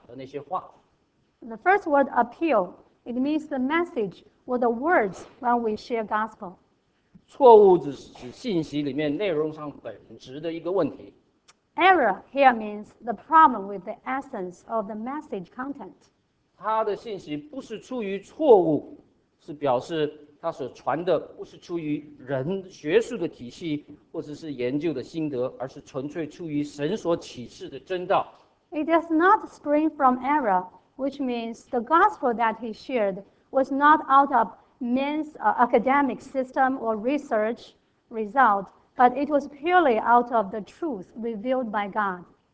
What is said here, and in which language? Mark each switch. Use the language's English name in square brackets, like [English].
[Chinese] 首先这个劝勉就是所传的福音的信息，也就是我们的言语，传福音的时候我们是讲的那些话。 [English] The first word appeal, it means the message or the words when we share gospel. [Chinese] 错误只是信息里面内容上本质的一个问题。 [English] Error here means the problem with the essence of the message content. [Chinese] 他的信息不是出于错误，是表示他所传的不是出于人学术的体系或者是研究的心得，而是纯粹出于神所启示的真道。 [English] It does not spring from error, which means the gospel that he shared was not out of men's academic system or research result, but it was purely out of the truth revealed by God.